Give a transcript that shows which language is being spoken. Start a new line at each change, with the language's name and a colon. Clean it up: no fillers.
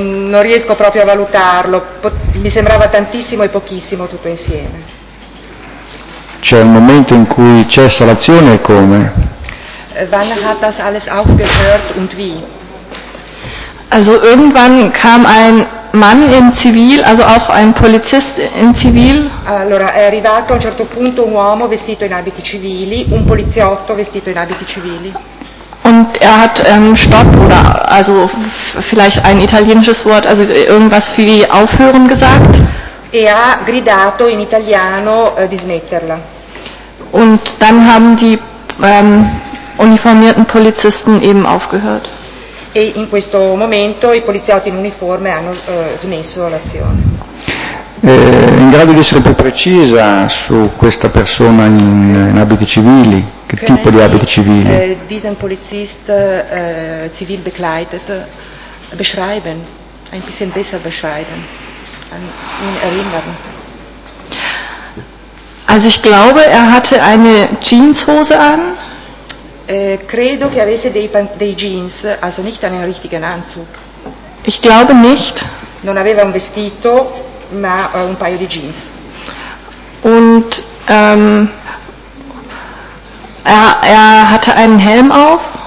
Italian: Non riesco proprio a valutarlo, mi sembrava tantissimo e pochissimo tutto insieme. C'è un momento in cui cessa l'azione e come?
German: Wann hat das alles aufgehört und wie? Also irgendwann kam ein Mann in Zivil, also auch ein Polizist in Zivil.
Italian: Allora è arrivato a un certo punto un uomo vestito in abiti civili, un poliziotto vestito in abiti civili.
German: Und er hat Stopp oder also vielleicht ein italienisches Wort, also irgendwas wie aufhören gesagt.
Italian: E ha gridato in italiano di smetterla.
German: Und dann haben die uniformierten Polizisten eben aufgehört.
Italian: E in questo momento i poliziotti in uniforme hanno smesso l'azione. In grado di essere più precisa su questa persona in abiti civili? Che
German: Können
Italian: tipo
German: Sie,
Italian: di abiti civili?
German: Diesen Polizist zivil bekleidet beschreiben, ein bisschen besser beschreiben, an ihn erinnern. Also ich glaube, er hatte eine Jeanshose an.
Italian: Credo che avesse dei jeans,
German: also nicht einen richtigen Anzug. Ich glaube nicht.
Italian: Non aveva un vestito, ma un paio di jeans.
German: Und er hatte einen Helm auf.